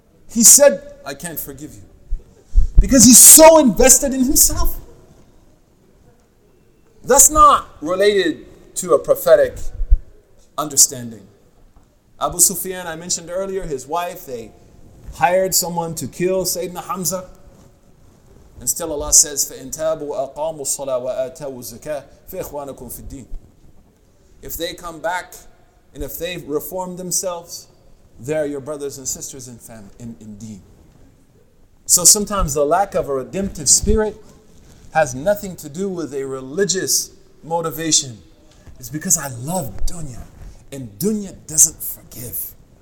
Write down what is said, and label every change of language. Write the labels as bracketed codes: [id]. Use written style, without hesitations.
[en] He said, I can't forgive you. Because he's so invested in himself. That's not related to a prophetic understanding. Abu Sufyan, I mentioned earlier, his wife, they hired someone to kill Sayyidina Hamza. And still Allah says, [ar] فَإِن تَابُوا أَقَامُوا الصَّلَاةَ وَآتَوُوا الزَّكَاةَ فَإِخْوَانَكُمْ فِي الدِّينِ. [en] If they come back, and if they reform themselves, they're your brothers and sisters in family, in deen. So sometimes the lack of a redemptive spirit has nothing to do with a religious motivation. It's because I love dunya, and dunya doesn't forgive.